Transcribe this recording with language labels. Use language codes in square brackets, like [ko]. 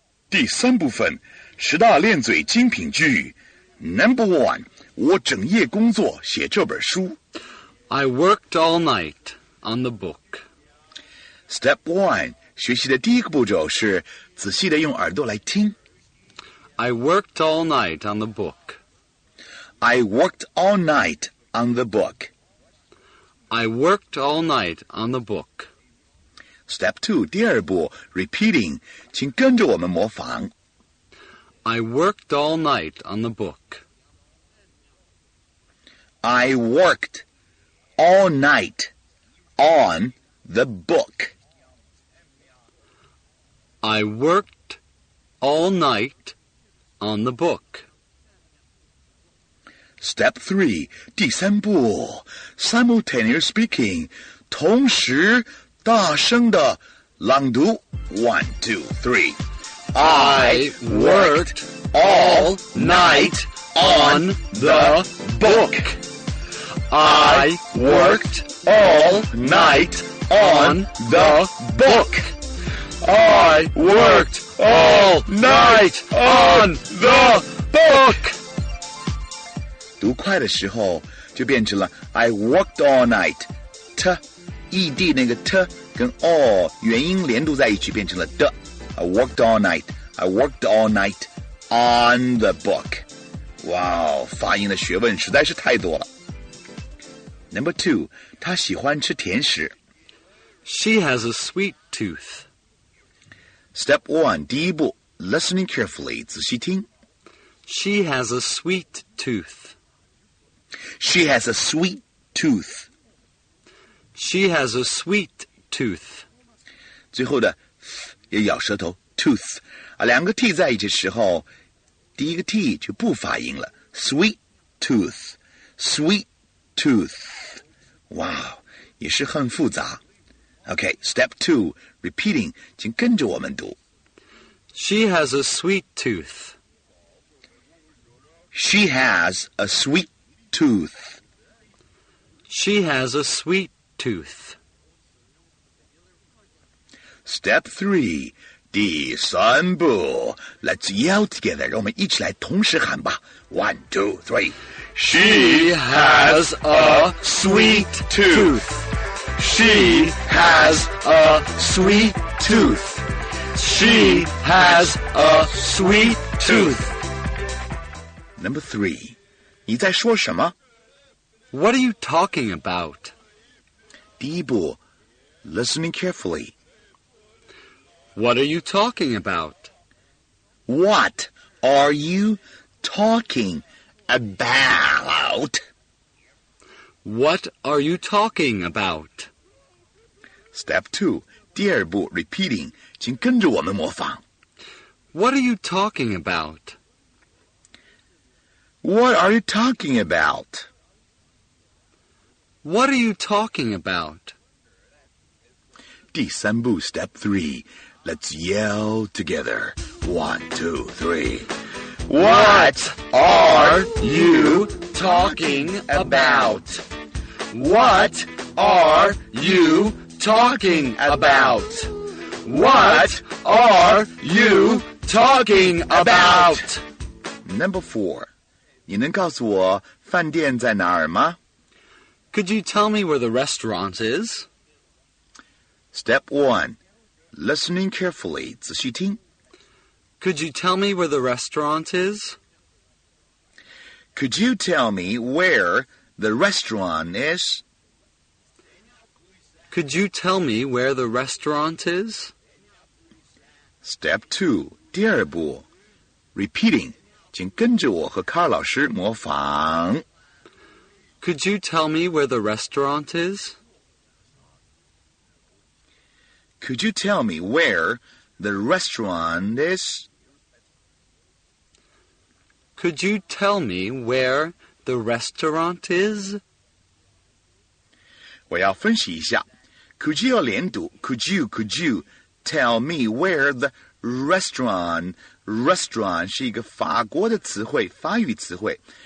[zh] 第三部分十大练嘴精品句 [en] Number one [zh] 我整夜工作写这本书 [en] I worked all night on the book Step one [zh] 学习的第一个步骤是仔细的用耳朵来听 [en] I worked all night on the book I worked all night on the book I worked all night on the book Step 2, [zh] 第二步, [en] repeating, [zh] 请跟着我们模仿。 [en] I worked all night on the book. I worked all night on the book. I worked all night on the book. Step 3, [zh] 第三步, [en] simultaneous speaking, [zh] 同时大声的朗读 [en] 1, 2, 3 I worked all night on the book. I worked all night on the book. I worked all night on the book. [zh] 读快的时候就变成了 [en] I worked all night. [zh] T, ED 那个 T 跟 all 元音连读在一起变成了 D. [en] I worked all night. I worked all night on the book. [zh] Wow, 发音的学问实在是太多了。 [en] Number two, [zh] 她喜欢吃甜食。 [en] She has a sweet tooth. Step one, [zh] 第一步 [en] listening carefully, [zh] 仔细听。 [en] She has a sweet tooth. She has a sweet tooth. She has a sweet tooth. [zh] 最后的 th 也咬舌头 tooth 啊，两个 t 在一起的时候，第一个 t 就不发音了 [en] sweet tooth, sweet tooth. [zh] Wow, 也是很复杂。 [en] Okay, step two, repeating, [zh] 请跟着我们读。 [en] She has a sweet tooth. She has a sweet tooth. Tooth. She has a sweet tooth. Step three, [zh] 第三步 [en] Let's yell together. [zh] 让我们一起来同时喊吧 [en] One, two, three. She has a sweet tooth. She has a sweet tooth. She has a sweet tooth. Number three. [zh] 你在说什么? [en] What are you talking about? [zh] 第一步, [en] listening carefully. What are you talking about? What are you talking about? What are you talking about? Step two, [zh] 第二步, [en] repeating, [zh] 请跟着我们模仿。 [en] What are you talking about? What are you talking about? What are you talking about? [zh] 第三步 [en] step three. Let's yell together. One, two, three. What are you talking about? What are you talking about? What are you talking about? Number four. [zh] 你能告诉我饭店在哪儿吗? [en] Could you tell me where the restaurant is? Step one, listening carefully, [zh] 仔细听。 [en] Could you tell me where the restaurant is? Could you tell me where the restaurant is? Could you tell me where the restaurant is? Step two, [zh] 第二步, [en] repeating. [zh] 请跟着我和卡老师模仿。 [en] Could you tell me where the restaurant is? Could you tell me where the restaurant is? Could you tell me where the restaurant is? [zh] 我要分析一下。 [en] Could you [zh] 要连读 [en] could you tell me where the restaurant is? [zh] Restaurant 是一个法国的词汇，法语词汇。